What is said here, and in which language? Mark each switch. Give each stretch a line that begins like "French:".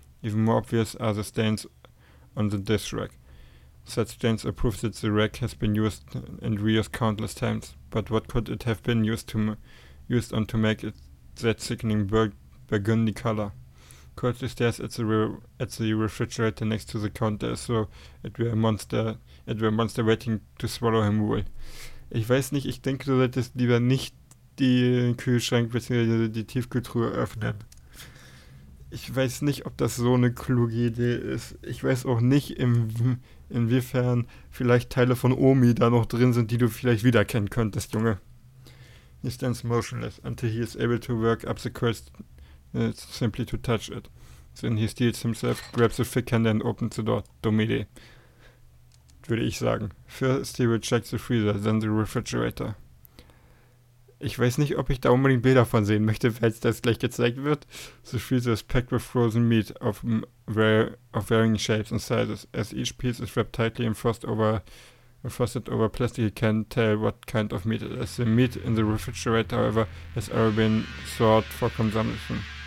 English: Even more obvious are the stains on the dish rack. Such stains are proof that the rack has been used and reused countless times. But what could it have been used on to make it that sickening burgundy color? Koji stares at the refrigerator next to the counter, so it were a monster waiting to swallow him whole.
German: Ich weiß nicht, ich denke, du solltest lieber nicht den Kühlschrank bzw. die Tiefkühltruhe öffnen. Ich weiß nicht, ob das so eine kluge Idee ist. Ich weiß auch nicht, inwiefern vielleicht Teile von Omi da noch drin sind, die du vielleicht wiedererkennen könntest, Junge.
English: He stands motionless until he is able to work up the courage simply to touch it. Then he steals himself, grabs a thick hand and opens the door.
German: Dumme Idee. würde ich sagen.
English: First he will check the freezer, then the refrigerator.
German: Ich weiß nicht, ob ich da unbedingt Bilder von sehen möchte, falls das gleich gezeigt wird.
English: The freezer is packed with frozen meat of varying shapes and sizes. As each piece is wrapped tightly and frosted over plastic, you can't tell what kind of meat it is. The meat in the refrigerator, however, has already been thawed for consumption.